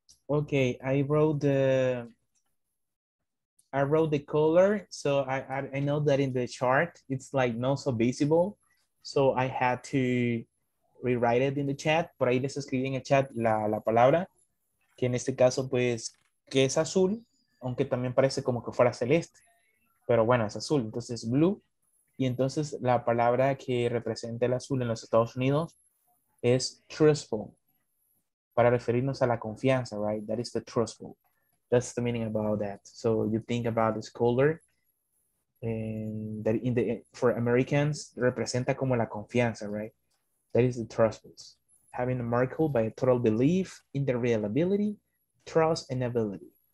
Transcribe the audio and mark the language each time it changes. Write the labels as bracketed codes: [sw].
[en] Okay, I wrote the color, so I know that in the chart it's like not so visible, so I had to rewrite it in the chat. [es] Por ahí les escribí en el chat la palabra, que en este caso pues que es azul, aunque también parece como que fuera celeste, pero bueno, es azul, entonces blue. Y entonces la palabra que representa el azul en los Estados Unidos es trustful, para referirnos a la confianza, right? [en] That is the trustful. That's the meaning about that. So you think about this color, and that in the for Americans [es] representa como la confianza, [en] right? That is the trustful. Having a marked by a total belief in the reliability, trust, and ability.